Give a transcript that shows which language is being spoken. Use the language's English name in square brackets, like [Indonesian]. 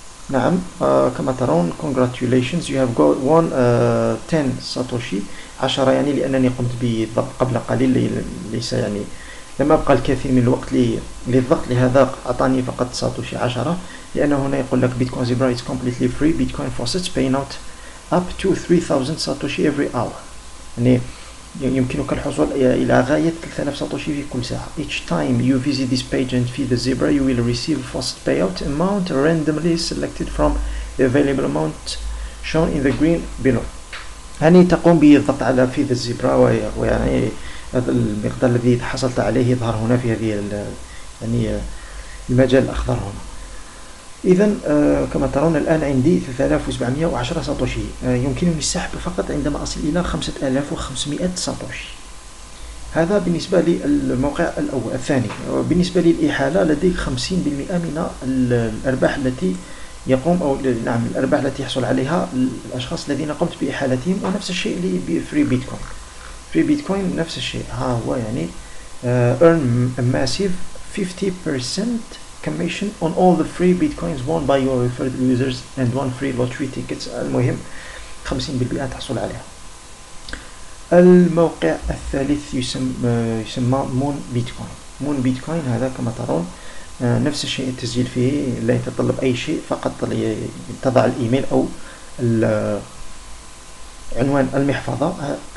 [Arabic] نعم كما ترون [English] congratulations you have got one [Arabic] 10 ساتوشي 10، يعني لأنني قمت بضبط قبل قليل، ليس يعني لما أبقى الكثير من الوقت للضغط لهذا، أعطاني فقط ساتوشي 10، لأن هنا يقول لك بيتكوين زيبرا [English] is completely free bitcoin faucets paying out up to [Arabic] 3000 ساتوشي [English] every hour، [Arabic] يعني يمكنك الحصول إلى غاية 3000 ساتوشي في كل ساعة. [English] each time you visit this page and feed the zebra you will receive faucet payout amount randomly selected from the available amount shown in the green below. [Arabic] يعني تقوم بالضغط على [English] feed the zebra [Arabic] ويعني المقدار الذي حصلت عليه يظهر هنا في هذه يعني المجال الأخضر هنا. إذا كما ترون الآن عندي 3710 ساتوشي، يمكنني السحب فقط عندما أصل إلى 5500 ساتوشي. هذا بالنسبة للموقع الأول. الثاني بالنسبة للإحالة، لديك 50% من الأرباح التي يقوم أو نعم الأرباح التي يحصل عليها الأشخاص الذين قمت بإحالتهم، ونفس الشيء لفري بيتكوين. في بيتكوين نفس الشيء، ها هو يعني [English] earn a massive 50% commission on all the free bitcoins won by your referred users and one free lottery tickets. [Arabic] المهم 50% تحصل عليها. الموقع الثالث يسمى مون بيتكوين. مون بيتكوين هذا كما ترون نفس الشيء، التسجيل فيه لا يتطلب أي شيء، فقط تضع الإيميل أو عنوان المحفظة.